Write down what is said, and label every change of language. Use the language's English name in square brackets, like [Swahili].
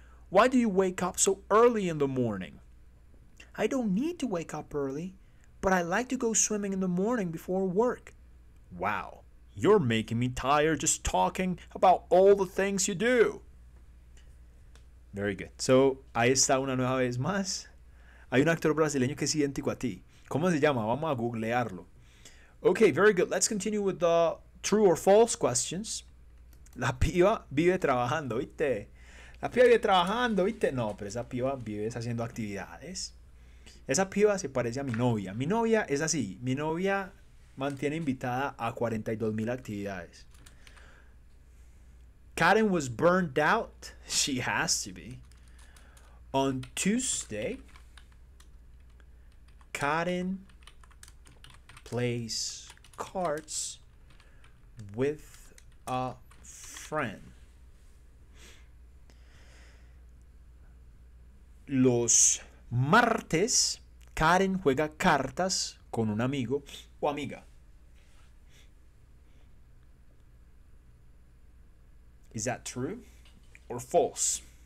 [English] Why do you wake up so early in the morning? I don't need to wake up early, but I like to go swimming in the morning before work. Wow, you're making me tired just talking about all the things you do. Very good. So, [Spanish] ahí está una nueva vez más. Hay un actor brasileño que es idéntico a ti. ¿Cómo se llama? Vamos a googlearlo. [English] Okay, very good. Let's continue with the true or false questions. [Spanish] La piba vive trabajando, ¿viste? La piba vive trabajando, ¿viste? No, pero esa piba vive haciendo actividades. Esa piba se parece a mi novia. Mi novia es así. Mi novia mantiene invitada a 42,000 actividades. [English] Karen was burned out. She has to be. On Tuesday, Karen plays cards with a friend. [Spanish] Los martes, Karen juega cartas con un amigo o amiga. [English] Is that true or false?